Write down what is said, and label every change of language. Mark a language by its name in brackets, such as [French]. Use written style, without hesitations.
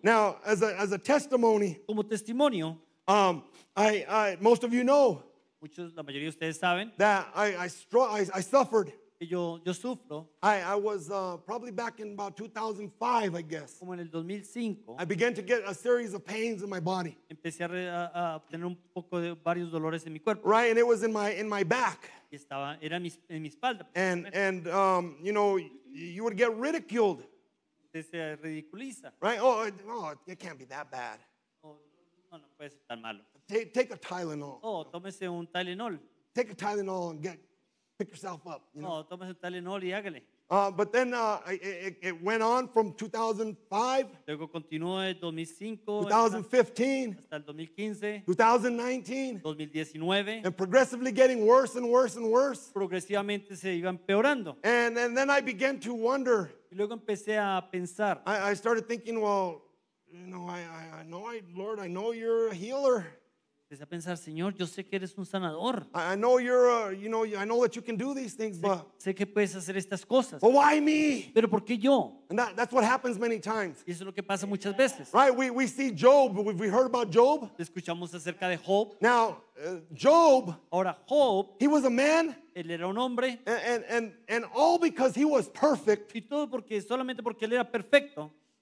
[English] Now, as a testimony, [Spanish] como testimonio, [English] I most of you know, [Spanish] muchos la mayoría de ustedes saben, [English] that I suffered. [Spanish] Yo sufro. [English] I was probably back in about 2005, I guess. [Spanish] Como en el 2005. [English] I began to get a series of pains in my body. [Spanish] Empecé a tener un poco de varios dolores en mi cuerpo. [English] Right, and it was in my back. [Spanish] Era en mi espalda. [English] And you know, you would get ridiculed. [Spanish] Se ridiculiza. [English] Right? Oh, it can't be that bad. [Spanish] No puede ser tan malo. [English] Take a Tylenol. [Spanish] Oh, tómese un Tylenol. [English] Take a Tylenol and get. Pick yourself up. [Spanish] Tómese un Tylenol y hágale. [English] But then it went on from 2005. [Spanish] Luego continuó el 2005. [English] 2015. [Spanish] Hasta el 2015. [English] 2019. [Spanish] 2019. [English] And progressively getting worse and worse and worse. [Spanish] Progresivamente se iba empeorando. [English] And then I began to wonder. [Spanish] Y luego empecé a pensar. [English] I started thinking, well, you know, I know, Lord, I know you're a healer. [Spanish] Empecé a pensar, Señor, yo sé que eres un sanador. [English] I know you're, you know, I know that you can do these things, but. [Spanish] Sé que puedes hacer estas cosas. [English] But why me? [Spanish] Pero ¿por qué yo? [English] And that's what happens many times. [Spanish] Y eso es lo que pasa muchas veces. [English] Right, we see Job. We heard about Job. [Spanish] Escuchamos acerca de Job. [English] Now, Job. [Spanish] Ahora, Job. [English] He was a man. [Spanish] Él era un hombre. [English] And all because he was perfect. [Spanish] Y todo porque, solamente porque él era perfecto.